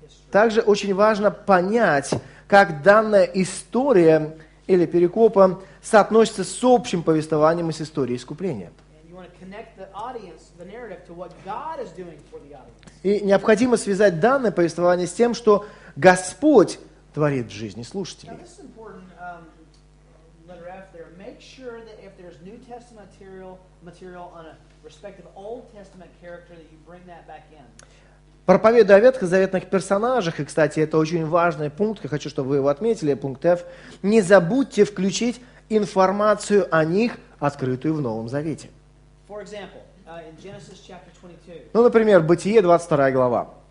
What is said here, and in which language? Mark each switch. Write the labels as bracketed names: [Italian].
[Russian] Также очень важно понять, как данная история или перекопа соотносится с общим повествованием и с историей искупления. [English] connect the audience, the narrative, to what God is doing for the audience. [Russian] И необходимо связать данное повествование с тем, что Господь творит в жизни слушателей. [English] Now, this is important, letter F there. Make sure that if there's New Testament material on a respective Old Testament character, that you bring that back in. [Russian] Проповедуя о ветхозаветных персонажах, и, кстати, это очень важный пункт, я хочу, чтобы вы его отметили, пункт F, не забудьте включить информацию о них, открытую в Новом Завете. [English] For example, in Genesis chapter 22, [Russian] ну, например, Бытие, 22 глава.